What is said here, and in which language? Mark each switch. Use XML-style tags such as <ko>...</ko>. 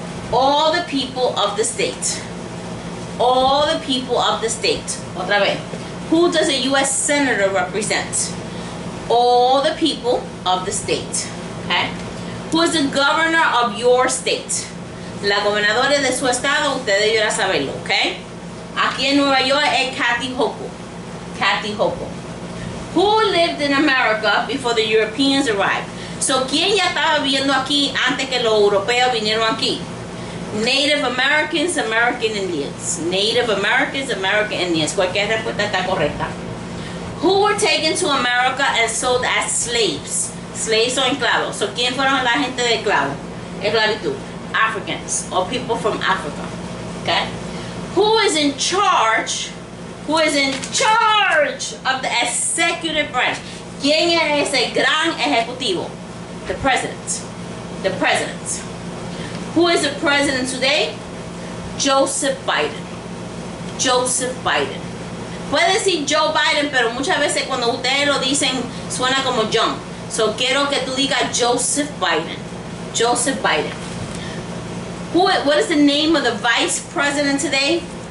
<en>All the people of the state. All the people of the state.</en> <es>Otra vez.</es> <en>Who does a U.S. senator represent? All the people of the state. Okay. Who is the governor of your state?</en> <es>La gobernadora de su estado, usted debería saberlo, okay? Aquí en Nueva York es Kathy Hochul. Kathy Hochul.</es> <en>Who lived in America before the Europeans arrived?</en> <es>So, ¿quién ya estaba viviendo aquí antes que los europeos vinieron aquí?</es> <en>Native Americans, American Indians. Native Americans, American Indians.</en> <es>Cualquier respuesta está correcta.</es> <en>Who were taken to America and sold as slaves?</en> <es>Slaves o enclavos. So, ¿quién fueron la gente de esclavo? Esclavitud.</es> <en>Africans or people from Africa. Okay? Who is in charge? Who is in charge of the executive branch?</en> <es>¿Quién es el gran ejecutivo?</es> <en>The president. The president. Who is the president today? Joseph Biden. Joseph Biden.</en> <es>Puede decir Joe Biden, pero muchas veces cuando ustedes lo dicen suena como John. So, quiero que tú digas Joseph Biden.</es> <en>Joseph Biden. What is the name of the vice president today?</en>